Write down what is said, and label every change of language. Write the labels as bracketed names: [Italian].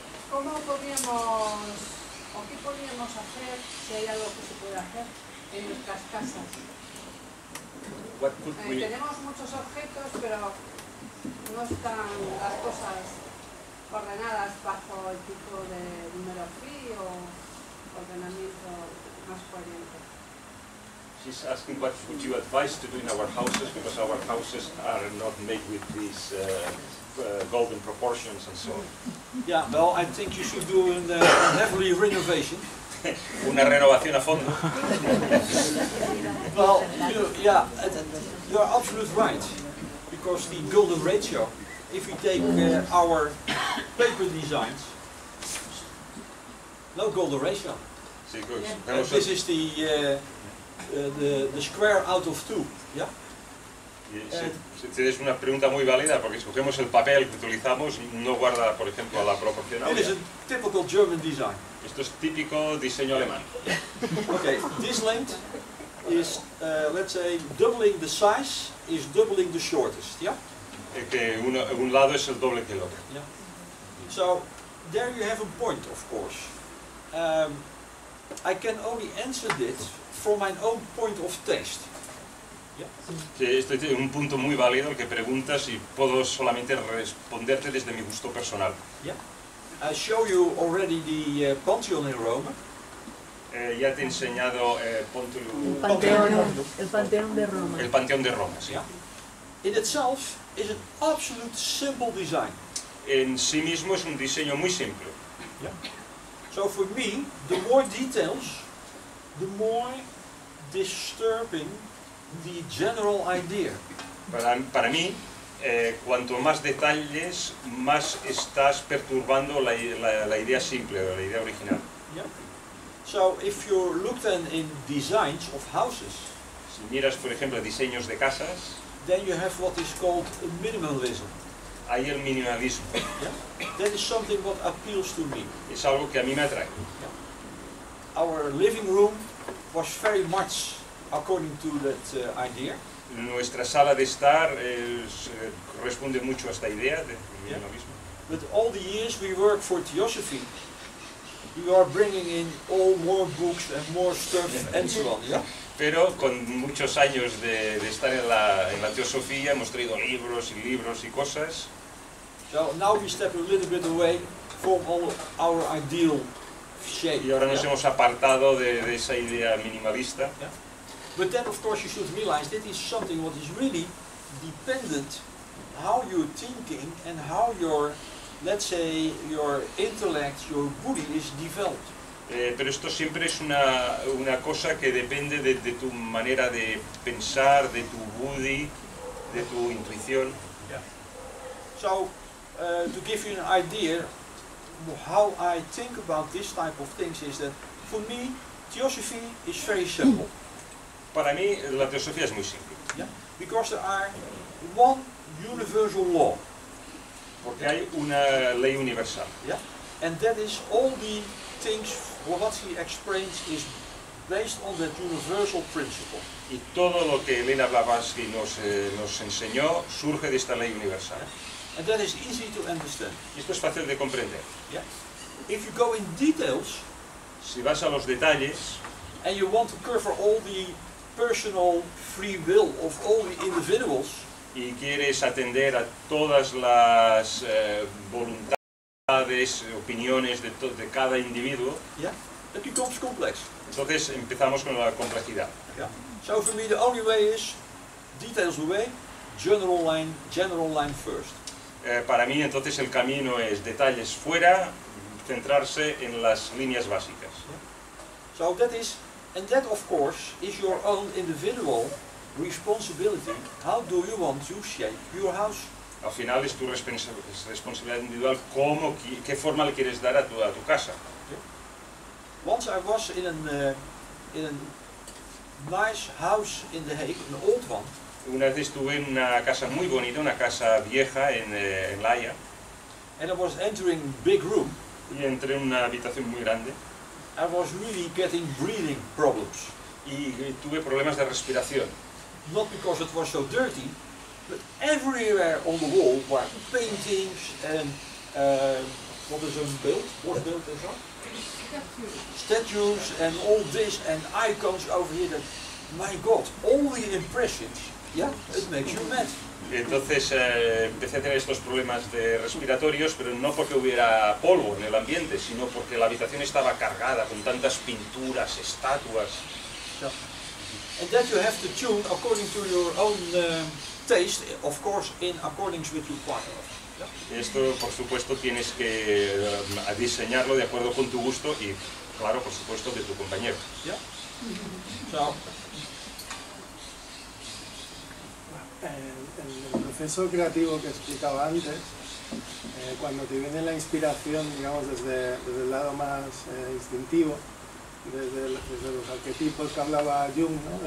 [Spanish] ¿Cómo podríamos o qué podríamos hacer si hay algo que se puede hacer en nuestras casas? Tenemos muchos objetos, pero no están las cosas ordenadas bajo el tipo de número free o ordenamiento más coherente. [English] She's asking what would you advise to do in our houses, because our houses are not made with these golden proportions and so on. Yeah, well, I think you should do a heavily renovation. [Spanish] Una renovación a fondo. [English] Well, yeah, you're absolutely right, because the golden ratio, if we take our paper designs, no golden ratio. [Spanish] Sí, pues, [English] this is the square out of two, yeah? [Spanish] Sí, sí, es una pregunta muy válida porque escogemos el papel que utilizamos y no guarda, por ejemplo, la proporción. [English] It is a typical German design. [Spanish] Esto es típico diseño alemán. [English] Okay, this length is, let's say, doubling the size is doubling the shortest, yeah? [Spanish] Que un lado es el doble que el otro. [English] Yeah. So, there you have a point, of course. I can only answer this from my own point of taste. Yeah. [Spanish] Sí, este es un punto muy válido el que preguntas y puedo solamente responderte desde mi gusto personal. [English] Yeah. I show you already the Pantheon in Rome. [Spanish] Ya te he enseñado el Panteón de Roma. El Panteón de Roma, sí. [English] Yeah. In itself is an absolute simple design. [Spanish] En sí mismo es un diseño muy simple. [English] Yeah. So for me, the more details, the more disturbing the general idea. [Spanish] Para mí, cuanto más detalles, más estás perturbando la idea simple, la idea original. [English] Yeah. So if you look then in designs of houses, [Spanish] si miras, por ejemplo, diseños de casas, [English] then you have what is called minimalism. [Spanish] Hay el minimalismo. [English] Yeah. That is something what appeals to me. [Spanish] Es algo que a mí me atrae. [English] Yeah. Our living room was very much according to that idea. [Spanish] Nuestra sala de estar responde mucho a esta idea de minimalismo. [English] Yeah. But all the years we work for Theosophy, we are bringing in all more books and more stuff and so on. Yeah. [Spanish] Pero con muchos años de estar en la Teosofía hemos traído libros y cosas. [English] So now we step a little bit away from all our ideal shape. [Spanish] Y ahora nos hemos apartado de esa idea minimalista. [English] Yeah. But then, of course, you should realize that is something what is really dependent how you're thinking and how your, let's say, your intellect, your body is developed. [Spanish] Pero esto siempre es una cosa que depende de tu manera de pensar, de tu body, de tu intuición. [English] Yeah. So, to give you an idea how I think about this type of things is that, for me, Theosophy is very simple. [Spanish] Para mí la teosofía es muy simple. [English] Yeah. Because there are one universal law. [Spanish] Porque hay una ley universal. [English] Yeah. And that is all the things what he explains is based on that universal principle. [Spanish] Y todo lo que Lina Blavatsky nos enseñó surge de esta ley universal. [English] Yeah. And that is easy to understand. [Spanish] Y esto es fácil de comprender. [English] Yeah. If you go in details, [Spanish] si vas a los detalles, [English] and you want to cover all the personal free will of all the individuals, [Spanish] y quieres atender a todas las voluntades, opiniones de cada individuo, [English] yeah, it becomes complex. [Spanish] Entonces empezamos con la complejidad. [English] Yeah. So for me the only way is details away, general line first. [Spanish] Para mí entonces el camino es detalles fuera, centrarse en las líneas básicas. [English] Yeah. So that is, and that of course is your own individual responsibility. How do you want to shape your house? [Spanish] Al final es tu responsabilidad individual. ¿Cómo, qué forma le quieres dar a tu casa? [English] Okay. Once I was in a nice house in The Hague, an old one. [Spanish] Una vez estuve en una casa muy bonita, una casa vieja en La Haya. [English] And I was entering big room. [Spanish] Y entré en una habitación muy grande. [English] I was really getting breathing problems. [Spanish] Y tuve problemas de respiración. [English] Not because it was so dirty, but everywhere on the wall were paintings and what is it built? What built is that? Statues and all this and icons over here. That, my God, all the impressions. Yeah, it makes you mad. [Spanish] Entonces empecé a tener estos problemas de respiratorios, pero no porque hubiera polvo en el ambiente, sino porque la habitación estaba cargada con tantas pinturas, estatuas. [English] Yeah. And that you have to tune according to your own taste, of course, in accordance with your partner. Yeah. [Spanish] Esto, por supuesto, tienes que diseñarlo de acuerdo con tu gusto y, claro, por supuesto, de tu compañero. [English] Yeah. So. [Spanish] El proceso creativo que explicaba antes, cuando te viene la inspiración, digamos, desde el lado más instintivo, desde los arquetipos que hablaba Jung, ¿no?